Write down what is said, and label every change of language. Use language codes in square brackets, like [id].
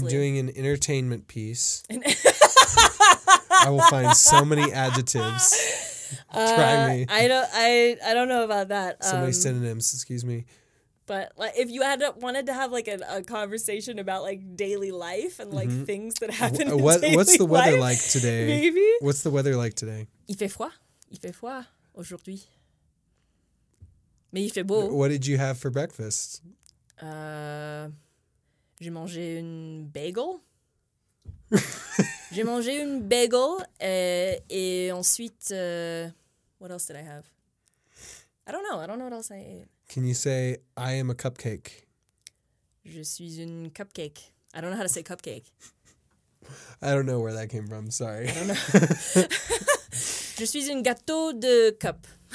[en] I'm doing an entertainment piece. I will find so many adjectives. Try me. I don't know about that. So many synonyms, excuse me. But like, if you wanted to have like a conversation about like daily life and like things that happen in daily life. What's the weather like today? Maybe. What's the weather like today? [fr] Il fait froid aujourd'hui. Mais il fait beau. [en] What did you have for breakfast? [fr] J'ai mangé une bagel. J'ai mangé une bagel et ensuite, [en] what else did I have? I don't know. I don't know what else I ate. Can you say, I am a cupcake? [fr] Je suis une cupcake. [en] I don't know how to say cupcake. I don't know where that came from. Sorry. I don't know. [fr] Je suis une gâteau de cup.